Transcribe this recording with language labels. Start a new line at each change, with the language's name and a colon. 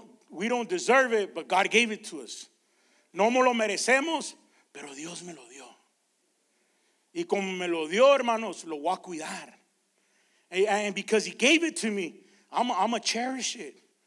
English: We don't deserve it, but God gave it to us.
Spanish: No me lo merecemos, pero Dios me lo dio. Y como me lo dio, hermanos, lo voy a cuidar.
English: And because he gave it to me, I'ma cherish it.